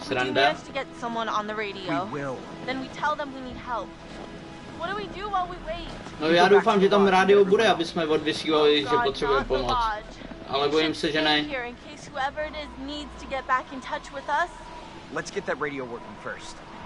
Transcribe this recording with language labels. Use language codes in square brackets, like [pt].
[en] If we do manage to get someone on the radio, then we tell them we need help. What do we do while we wait? [cs] No já doufám, že tam rádio bude, aby jsme odvysílali, že potřebujeme pomoc. Ale bojím se, že ne. [en] Whoever it is needs to get back in touch with us. Let's get that radio working first.